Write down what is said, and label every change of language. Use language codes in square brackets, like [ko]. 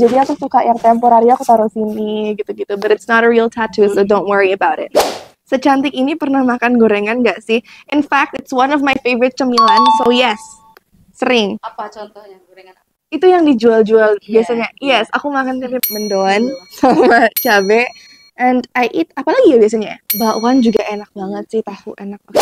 [id] Jadi aku suka yang temporary, aku taruh sini gitu-gitu. [en] But it's not a real tattoo, so don't worry about it. [id] Secantik ini pernah makan gorengan gak sih? [en] In fact, it's one of my favorite cemilan, so yes, sering. [id] Apa contohnya gorengan? Itu yang dijual-jual biasanya. Yes, aku makan tempe mendoan sama cabe. [en] And I eat, [id] apalagi ya biasanya? Bakwan juga enak banget sih, tahu enak.